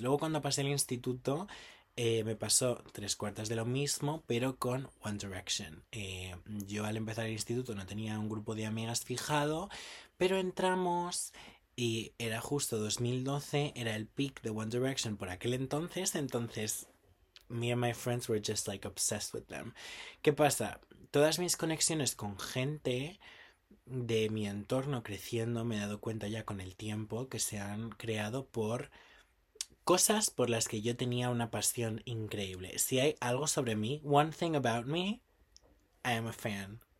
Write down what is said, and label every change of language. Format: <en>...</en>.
<es>Luego cuando pasé el instituto, me pasó tres cuartas de lo mismo, pero con One Direction. Yo al empezar el instituto no tenía un grupo de amigas fijado, pero entramos y era justo 2012, era el peak de One Direction por aquel entonces.</es> <en>Entonces, me and my friends were just like obsessed with them.</en> <es>¿Qué pasa? Todas mis conexiones con gente de mi entorno creciendo, me he dado cuenta ya con el tiempo que se han creado por cosas por las que yo tenía una pasión increíble. Si hay algo sobre mí,</es> <en>one thing about me, I am a fan.</en>